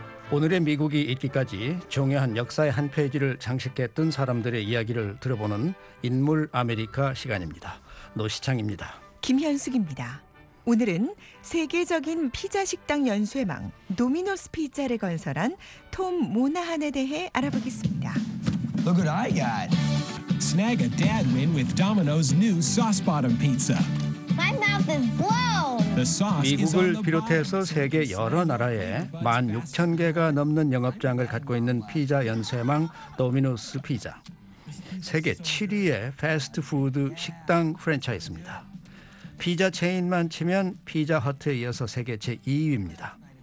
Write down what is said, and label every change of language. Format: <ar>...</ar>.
<ko>오늘의 미국이 있기까지 중요한 역사의 한 페이지를 장식했던 사람들의 이야기를 들어보는 인물 아메리카 시간입니다. 노시창입니다. 김현숙입니다. 오늘은 세계적인 피자 식당 연쇄망 도미노스 피자를 건설한 톰 모나한에 대해 알아보겠습니다.</ko> <en>Look what I got. Snag a dad win with Domino's new sauce bottom pizza. My mouth is blown.</en> <ko>미국을 비롯해서 세계 여러 나라에 16,000개가 넘는 영업장을 갖고 있는 피자 연쇄망 도미노스 피자. 세계 7위의 패스트푸드 식당 프랜차이즈입니다. 피자 체인만 치면 피자 허트에 이어서 세계 제2위입니다.</ko>